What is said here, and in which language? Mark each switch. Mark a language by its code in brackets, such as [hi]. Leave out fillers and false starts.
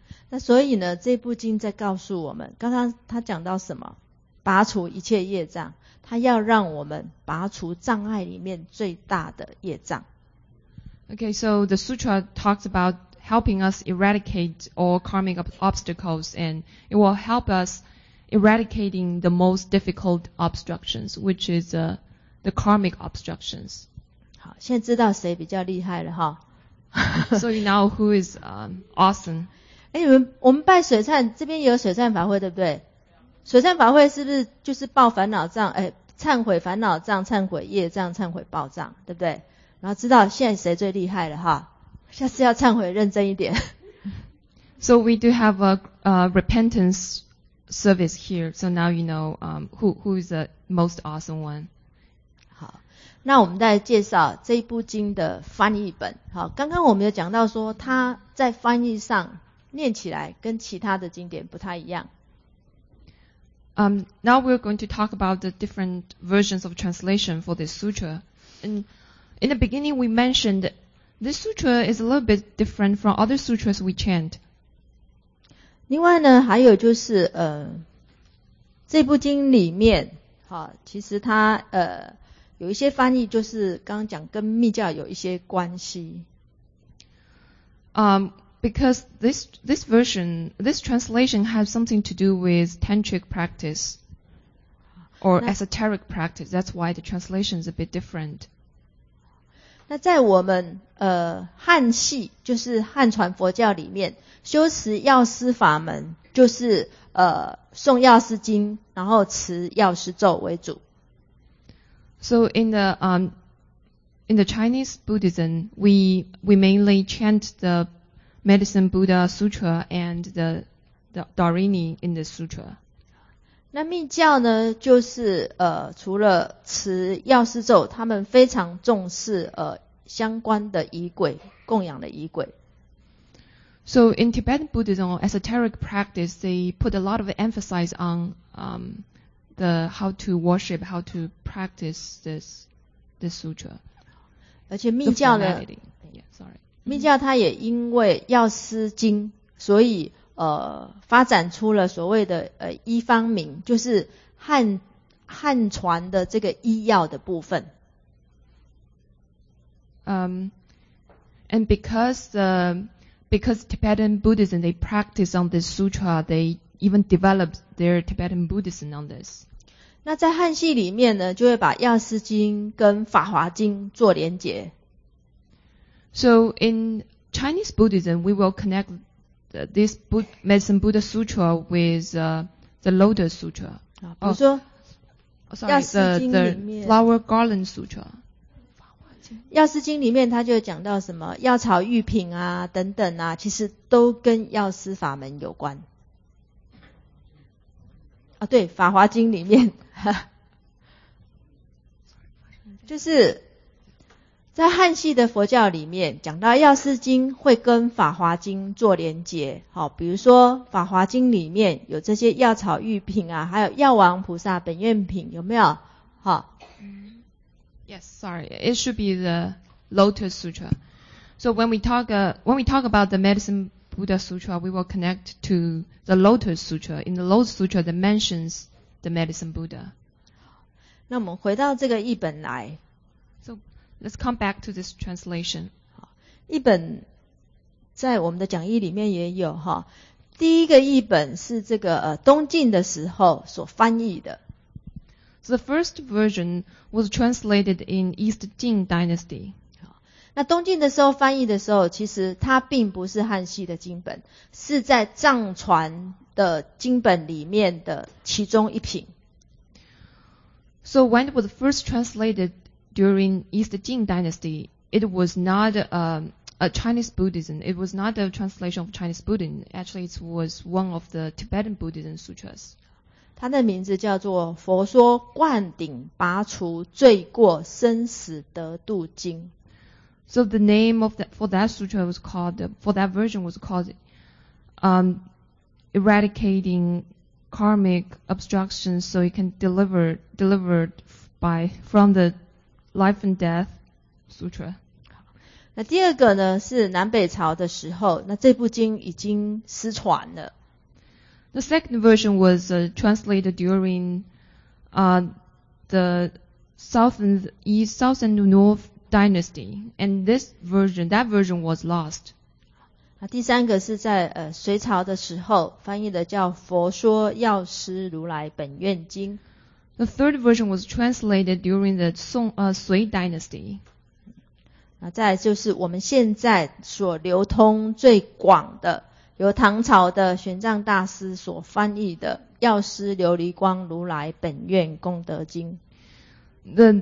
[zh] 那所以呢，这部经在告诉我们，刚刚他讲到什么？拔除一切业障，他要让我们拔除障碍里面最大的业障。 [en] Okay, so the sutra talks about helping us eradicate all karmic obstacles, and it will help us eradicating the most difficult obstructions, which is the karmic obstructions. [zh] 现在知道谁比较厉害了哈。 [en] So you know who is awesome. [zh] 哎，我们拜水忏，这边也有水忏法会，对不对？水忏法会是不是就是报烦恼障？哎，忏悔烦恼障，忏悔业障，忏悔报障，对不对？然后知道现在谁最厉害了哈？下次要忏悔认真一点。 [en] So we do have a repentance service here. So now you know who is the most awesome one. [zh] 好，那我们再来介绍这一部经的翻译本。好，刚刚我们有讲到说它在翻译上念起来跟其他的经典不太一样。 [en] Now we're going to talk about the different versions of translation for this sutra. And in the beginning, we mentioned this sutra is a little bit different from other sutras we chant. [zh] 另外呢，还有就是，这部经里面，其实它有一些翻译就是刚刚讲跟密教有一些关系。 [en] Because this translation has something to do with tantric practice or esoteric practice. That's why the translation is a bit different. [zh] 那在我们汉系，就是汉传佛教里面，修持药师法门，就是诵药师经，然后持药师咒为主。 [en] So in the Chinese Buddhism, we mainly chant the Medicine Buddha Sutra and the Dharini in the Sutra. [zh] 那密教呢，就是除了持药师咒，他们非常重视相关的仪轨，供养的仪轨。 [en] So in Tibetan Buddhism, esoteric practice, they put a lot of emphasis on the how to worship, how to practice this sutra. [zh] 而且密教呢，密教它也因为药师经，所以发展出了所谓的医方名，就是汉传的这个医药的部分。 [en] And because Tibetan Buddhism they practice on this sutra, they even developed their Tibetan Buddhism on this. [zh] 那在汉系里面呢，就会把药师经跟法华经做连结。 [en] So in Chinese Buddhism, we will connect this Medicine Buddha Sutra with the Lotus Sutra. [zh] 比如说，药师经里面 [en] the Flower Garland Sutra. [zh] 药师经里面它就讲到什么药草玉品啊等等啊，其实都跟药师法门有关。啊，对，法华经里面，就是。在汉系的佛教里面讲到药师经会跟法华经做连结，好，比如说法华经里面有这些药草玉品啊，还有药王菩萨本愿品，有没有？好， [en] Yes, sorry, it should be the Lotus Sutra. So when we talk about the Medicine Buddha Sutra, we will connect to the Lotus Sutra. In the Lotus Sutra, that mentions the Medicine Buddha. [zh] 那我们回到这个译本来。 [en] Let's come back to this translation. [zh] 译本在我们的讲义里面也有哈。第一个译本是这个东晋的时候所翻译的。 [en] So the first version was translated in East Jin Dynasty. [zh] 那东晋的时候翻译的时候，其实它并不是汉系的经本，是在藏传的经本里面的其中一品。 [en] So when it was first translated,During East Jin Dynasty, it was not a Chinese Buddhism. It was not a translation of Chinese Buddhism. Actually, it was one of the Tibetan Buddhism sutras. [zh] 它的名字叫做《佛说灌顶拔除罪过生死得度经》。 [en] So the name of that, for that sutra was called, for that version was called Eradicating Karmic Obstructions so it can deliver from theLife and Death Sutra. [zh] 那第二个呢，是南北朝的时候，那这部经已经失传了。 [en] The second version was translated during the South and North Dynasty, and that version was lost. [zh] 那第三个是在隋朝的时候翻译的，叫《佛说药师如来本愿经》。 [en] The third version was translated during the Sui Dynasty. [zh] 那再来就是我们现在所流通最广的，由唐朝的玄奘大师所翻译的《药师琉璃光如来本愿功德经》。